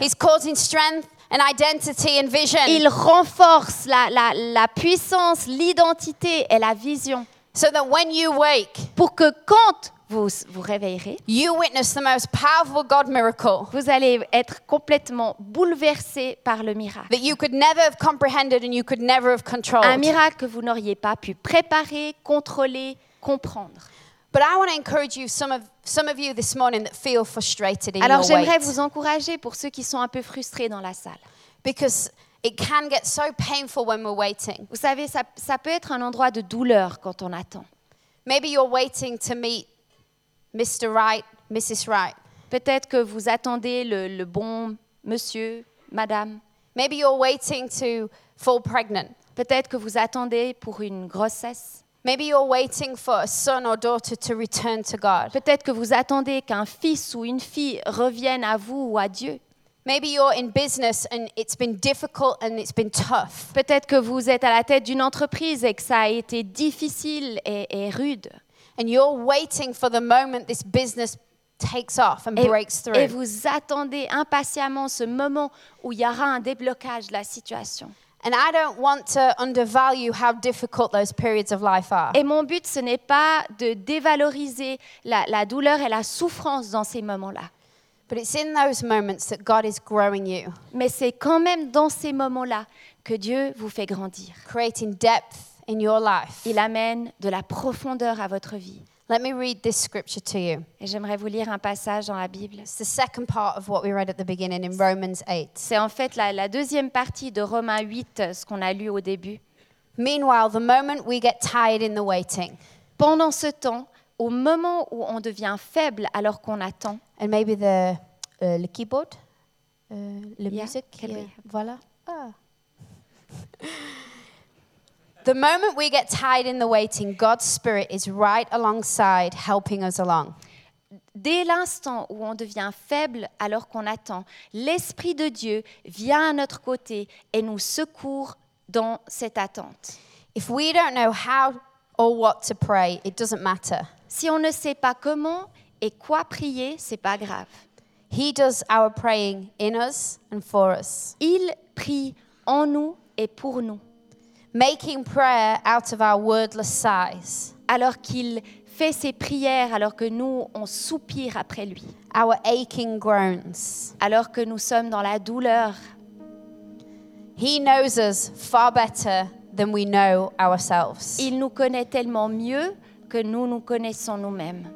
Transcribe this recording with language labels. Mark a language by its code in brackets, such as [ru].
[en] He's causing strength. An identity and vision. [fr] Il renforce la puissance, l'identité et la vision. [en] So that when you wake, [fr] pour que quand vous vous réveillerez, [en] you witness the most powerful God miracle. [fr] Vous allez être complètement bouleversé par le miracle. [en] That you could never have comprehended and you could never have controlled. [fr] Un miracle que vous n'auriez pas pu préparer, contrôler, comprendre. [en] But I want to encourage you, some of you this morning that feel frustrated in [fr] Alors [en] your [fr] j'aimerais [en] weight. [fr] Vous encourager pour ceux qui sont un peu frustrés dans la salle. [en] because it can get so painful when we're waiting. [fr] Vous savez, ça peut être un endroit de douleur quand on attend. [en] Maybe you're waiting to meet Mr. Right, Mrs. Right. [fr] Peut-être que vous attendez le bon monsieur, madame. [en] Maybe you're waiting to fall pregnant. [fr] Peut-être que vous attendez pour une grossesse. [en] Maybe you're waiting for a son or daughter to return to God. [fr] Peut-être que vous attendez qu'un fils ou une fille revienne à vous ou à Dieu. [en] Maybe you're in business and it's been difficult and it's been tough. [fr] Peut-être que vous êtes à la tête d'une entreprise et que ça a été difficile et rude. [en] And you're waiting for the moment this business takes off and breaks through. [fr] Et vous attendez impatiemment ce moment où il y aura un déblocage de la situation. [en] And I don't want to undervalue how difficult those periods of life are. [fr] Et mon but ce n'est pas de dévaloriser la douleur et la souffrance dans ces moments-là. [en] But it's in those moments that God is growing you. [fr] Mais c'est quand même dans ces moments-là que Dieu vous fait grandir. [en] Creating depth in your life. [fr] Il amène de la profondeur à votre vie. [en] Let me read this scripture to you. [fr] Et j'aimerais vous lire un passage dans la Bible. [en] It's the second part of what we read at the beginning in Romans 8. [fr] C'est en fait la deuxième partie de Romains 8, ce qu'on a lu au début. [en] Meanwhile, the moment we get tired in the waiting. [fr] Pendant ce temps, au moment où on devient faible alors qu'on attend. [en] And maybe the keyboard, [fr] le musique, voilà. [en] Ah. The moment we get tired in the waiting, God's Spirit is right alongside, helping us along. [fr] Dès l'instant où on devient faible alors qu'on attend, l'Esprit de Dieu vient à notre côté et nous secourt dans cette attente. [en] If we don't know how or what to pray, it doesn't matter. [fr] Si on ne sait pas comment et quoi prier, c'est pas grave. [en] He does our praying in us and for us. [fr] Il prie en nous et pour nous. [en] Making prayer out of our wordless sighs. [fr] Alors qu'il fait ses prières, alors que nous on soupire après lui. [en] Our aching groans. [fr] Alors que nous sommes dans la douleur. [en] He knows us far better than we know ourselves. [fr] Il nous connaît tellement mieux que nous nous connaissons nous-mêmes.